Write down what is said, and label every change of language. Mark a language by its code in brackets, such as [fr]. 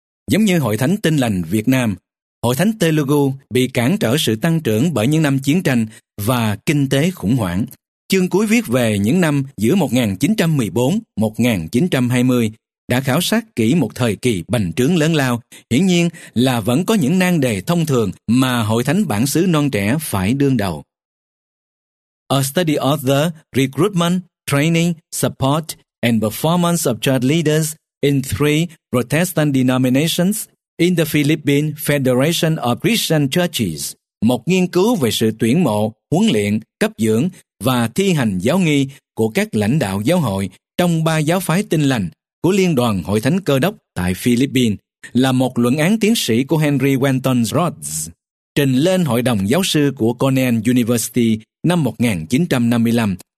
[vi] Giống như Hội thánh Tin Lành Việt Nam, Hội thánh Telugu bị cản trở sự tăng trưởng bởi những năm chiến tranh và kinh tế khủng hoảng. Chương cuối viết về những năm giữa 1914-1920 đã khảo sát kỹ một thời kỳ bành trướng lớn lao. Hiển nhiên là vẫn có những nan đề thông thường mà hội thánh bản xứ non trẻ phải đương đầu. [en] A study of the recruitment, training, support and performance of church leaders in three Protestant denominations in the Philippine Federation of Christian Churches. [vi] Một nghiên cứu về sự tuyển mộ, huấn luyện, cấp dưỡng và thi hành giáo nghi của các lãnh đạo giáo hội trong ba giáo phái Tin Lành của Liên đoàn Hội thánh Cơ đốc tại Philippines, là một luận án tiến sĩ của Henry Wenton Rhodes trình lên Hội đồng Giáo sư của Cornell University năm 1955.